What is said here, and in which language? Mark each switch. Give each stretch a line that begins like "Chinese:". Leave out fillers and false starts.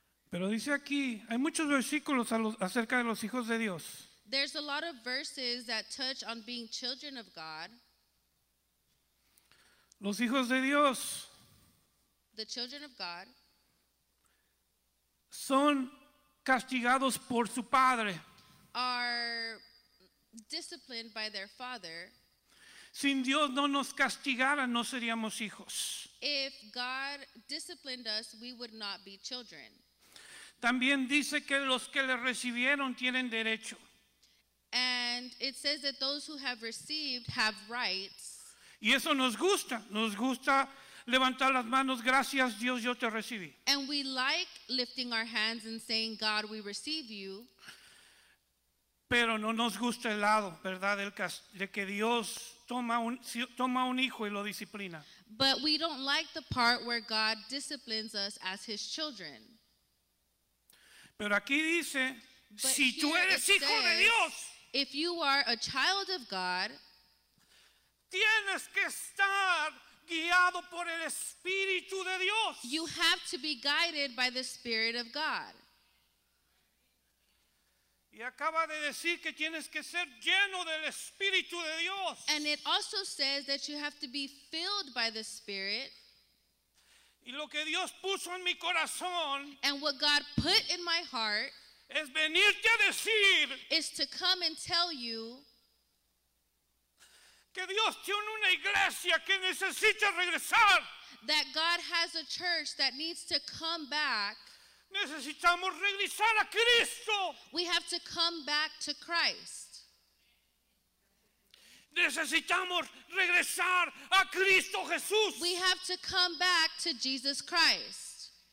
Spanish: Pero dice aquí, hay muchos versículos acerca de los hijos de Dios.
English: There's a lot of verses that touch on being children of God.
Spanish: Los hijos de Dios.
English: The children of God.
Spanish: Son castigados por su padre.
English: Are disciplined by their father.
Spanish: Sin Dios no nos castigara, no seríamos hijos.
English: If God disciplined us, we would not be children.
Spanish: También dice que los que le recibieron tienen derecho.
English: And it says that those who have received have rights.
Spanish: Y eso nos gusta levantar las manos, gracias Dios, yo te recibí.
English: And we like lifting our hands and saying, God, we receive you.
Spanish: Pero no nos gusta el lado, ¿verdad? De que Dios toma un hijo y lo disciplina.
English: But we don't like the part where God disciplines us as his children.
Spanish: Pero aquí dice, si tú eres hijo de Dios.
English: If you are a child of God,
Spanish: tienes que estar guiado por el Espíritu de Dios.
English: You have to be guided by the Spirit of God.
Spanish: Y acaba de decir que tienes que ser lleno del Espíritu de Dios.
English: And it also says that you have to be filled by the Spirit.
Spanish: Y lo que Dios puso en mi corazón,
English: and what God put in my heart,
Spanish: es venirte a decir,
English: is to come and tell you
Spanish: que Dios tiene una iglesia que necesita regresar.
English: That God has a church that needs to come back.
Spanish: Necesitamos regresar a Cristo.
English: We have to come back to Christ.
Spanish: Necesitamos regresar a Cristo Jesús.
English: We have to come back to Jesus Christ.